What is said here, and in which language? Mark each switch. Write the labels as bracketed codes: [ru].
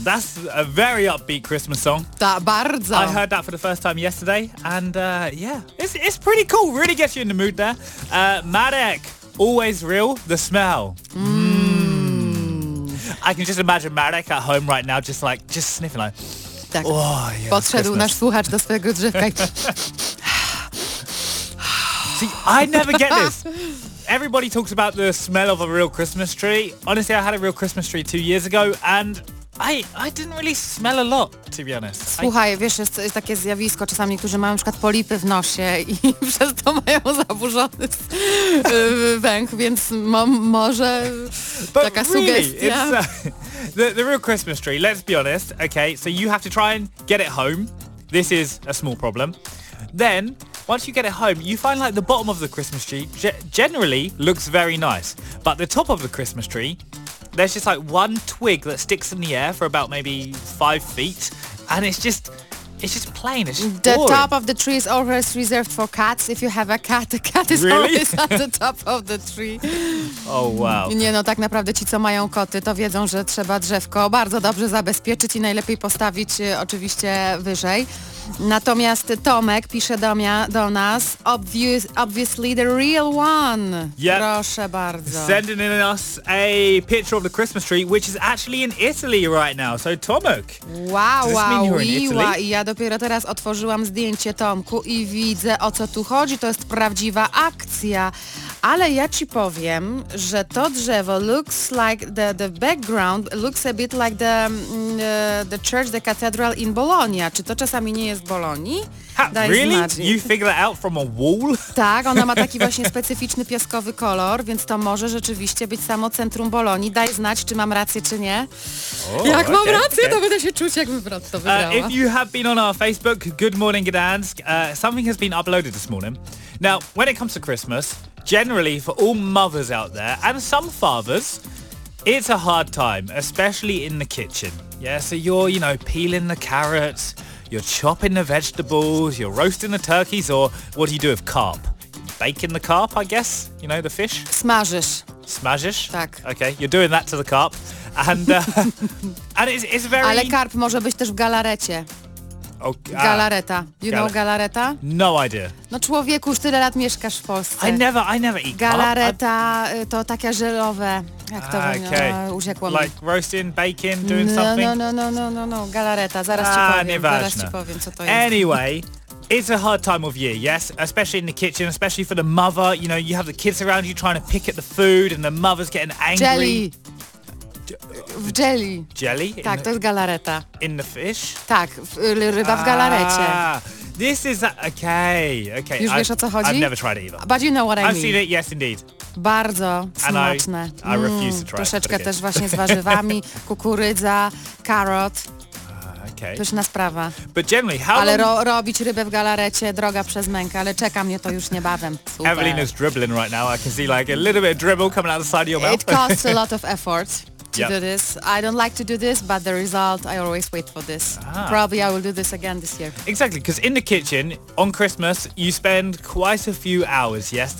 [en] That's a very upbeat Christmas song. [pl] Tak, bardzo. [en] I heard that for the first time yesterday, and yeah, it's pretty cool. Really gets you in the mood there. Marek, always real, the smell. I can just imagine Marek at home right now just like, just sniffing like... [pl] Tak. [en] Oh, yeah, [pl] podszedł nasz słuchacz do swojego drzewka. [en] See, I never get this. Everybody talks about the smell of a real Christmas tree. Honestly, I had a real Christmas tree 2 years ago and I didn't really smell a lot, to be honest. [pl] Słuchaj, wiesz, jest takie zjawisko, czasami niektórzy mają na przykład polipy w nosie i przez to mają zaburzony węch, więc może taka sugestia. [en] The real Christmas tree, let's be honest, okay, so you have to try and get it home. This is a small problem. Then, once you get it home, you find like the bottom of the Christmas tree generally looks very nice. But the top of the Christmas tree, there's just like one twig that sticks in the air for about maybe 5 feet. And it's just plain. It's just boring. The top of the tree is always reserved for cats. If you have a cat, the cat is really? Always at the top of the tree. Oh, wow. [pl] Nie, no tak naprawdę ci, co mają koty, to wiedzą, że trzeba drzewko bardzo dobrze zabezpieczyć i najlepiej postawić oczywiście wyżej. Natomiast Tomek pisze do nas, [en] obviously the real one. Yep. [pl] Proszę bardzo. [en] Sending in us a picture of the Christmas tree, which is actually in Italy right now. So Tomek, wow, does this wow, mean you're in Italy? [pl] Ja dopiero teraz otworzyłam zdjęcie Tomku i widzę, o co tu chodzi. To jest prawdziwa akcja. Ale ja ci powiem, że to drzewo [en] looks like the background, looks a bit like the church, the cathedral in Bologna. [pl] Czy to czasami nie jest w Bolonii? [en] Really? You figure that out from a wall? [pl] Tak, ona ma taki właśnie specyficzny piaskowy kolor, więc to może rzeczywiście być samo centrum Bolonii. Daj znać, czy mam rację, czy nie. [en] Oh, [pl] jak [en] okay, [pl] mam rację, okay. To będę się czuć, jakby wrot to wygrała. [en] If you have been on our Facebook, Good Morning Gdansk, something has been uploaded this morning. Now, when it comes to Christmas, generally for all mothers out there, and some fathers, it's a hard time, especially in the kitchen. Yeah, so you're, you know, peeling the carrots, you're chopping the vegetables, you're roasting the turkeys, or what do you do with carp? Baking the carp, I guess, you know, the fish? [pl] Smażysz. Smażysz? Tak. [en] Okay, you're doing that to the carp. And and it's very... [pl] Ale karp może być też w galarecie. [en] Okay. Galareta. You know galareta? No idea. [pl] No człowieku, już tyle lat mieszkasz w Polsce. [en] I never eat [pl] galareta. Galareta to takie żelowe, jak to [en] okay. [pl] Uziekło mi. [en] Like roasting, baking, doing [pl] no, [en] something? [pl] No. Galareta. Zaraz ci powiem. Zaraz ci powiem, co to jest. [en] Anyway, it's a hard time of year, yes? Especially in the kitchen, especially for the mother. You know, you have the kids around you trying to pick at the food and the mother's getting angry. Jelly. W jelly. Jelly? [pl] Tak, to jest galareta. [en] In the fish? [pl] Tak, ryba w galarecie. [en] This is... Okay. [pl] Już wiesz, o co chodzi? [en] I've never tried it either. But you know what I've mean. I've seen it, yes indeed. [pl] Bardzo smaczne. [en] I refuse to try [pl] troszeczkę [en] it, [pl] też właśnie z warzywami, kukurydza, carrot. [en] Okay. [pl] Pyszna sprawa. [en] But generally, how [pl] ale robić rybę w galarecie, droga przez mękę, ale czeka mnie to już niebawem. Super. [en] Evelyn is dribbling right now. I can see like a little bit of dribble coming out the side of your mouth. It costs a lot of effort. To do this. I don't like to do this, but the result, I always wait for this. Ah. Probably I will do this again this year. Exactly, because in the kitchen, on Christmas, you spend quite a few hours, yes?